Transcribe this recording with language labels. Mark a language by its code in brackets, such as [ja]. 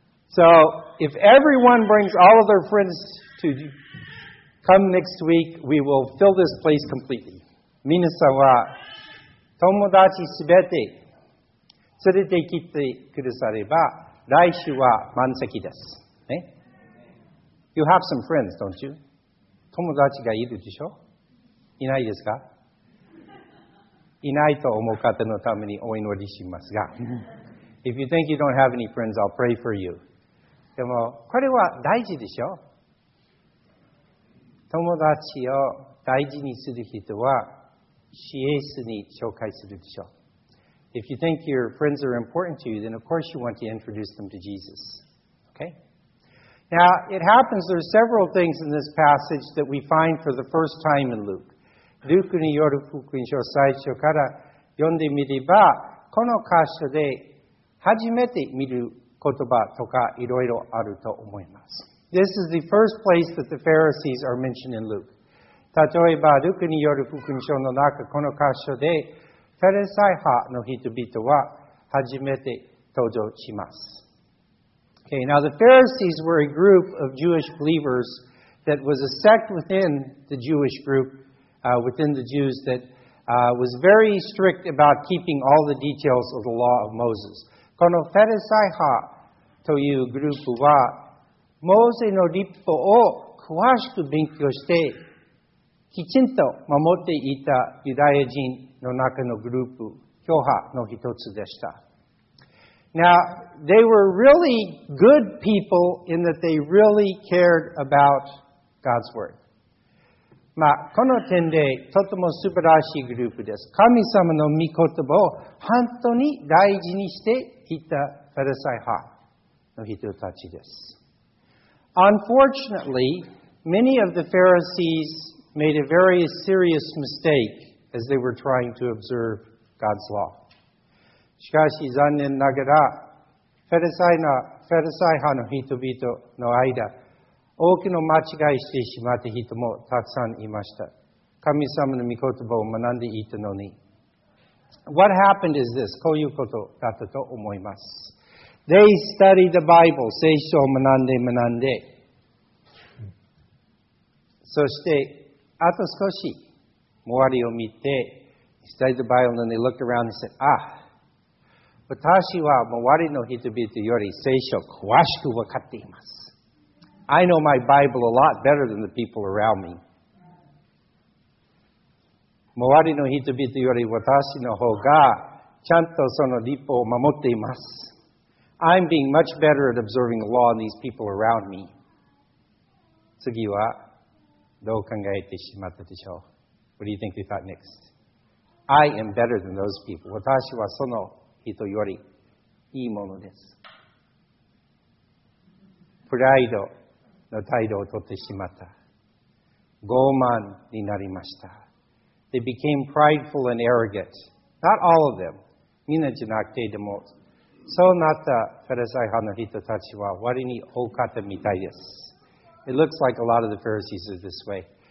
[en] So, if everyone brings all of their friends to come next week, we will fill this place completely. [ja] 皆さんは友達すべて連れてきてくだされば、来週は満席です。ね、 [en] you have some friends, don't you? [ja] 友達がいるでしょ？いないですか？いないと思う方のためにお祈りしますが。 [en] If you think you don't have any friends, I'll pray for you. [ja] でも、これは大事でしょ？友達を大事にする人は、イエスに紹介するでしょう。 [en] If you think your friends are important to you, then of course you want to introduce them to Jesus. Okay? Now, it happens there are several things in this passage that we find for the first time in Luke. [ja] ルクによる福音書最初から読んでみれば、この箇所で初めて見る言葉とかいろいろあると思います。 [en] This is the first place that the Pharisees are mentioned in Luke. [ja] 例えば、ルクによる福音書の中、この箇所で、ファリサイ派の人々は初めて登場します。 [en] Okay, now the Pharisees were a group of Jewish believers that was a sect within the Jewish group, within the Jews that, was very strict about keeping all the details of the law of Moses. [ja] このフェルサイ派というグループは、モーゼの律法を詳しく勉強して、きちんと守っていたユダヤ人の中のグループ、教派の一つでした。 [en] Now, they were really good people in that they really cared about God's Word. [ja] まあ、この点でとても素晴らしいグループです。神様の御言葉を本当に大事にしていたフェルサイ派の人たちです。 [en] Unfortunately, many of the Pharisees made a very serious mistake as they were trying to observe God's law. [ja] しかし残念ながら、フェルサイ派の人々の間、多くの間違いしてしまった人もたくさんいました。神様の御言葉を学んでいたのに。 [en] What happened is this. [ja] こういうことだったと思います。 [en] They studied the Bible. [ja] 聖書を学んで。そして、あと少し、周りを見て、 [en] studied the Bible and they looked around and said, ah, [ja] 私は周りの人々より聖書を詳しく分かっています。 [en] I know my Bible a lot better than the people around me. [ja] 周りの人々より私の方がちゃんとその律法を守っています。 [en] I'm being much better at observing the law than these people around me. [ja] 次はどう考えてしまったでしょう? [en] What do you think they thought next? I am better than those people. [ja] 私はその人よりいいものです。プライドの態度をとってしまった。傲慢になりました。 [en] They became prideful and arrogant. Not all of them. [ja] みんなじゃなくてでも、そうなったフェルサイ派の人たちは割に多かったみたいです。 [en] It looks like a lot of the Pharisees are this way.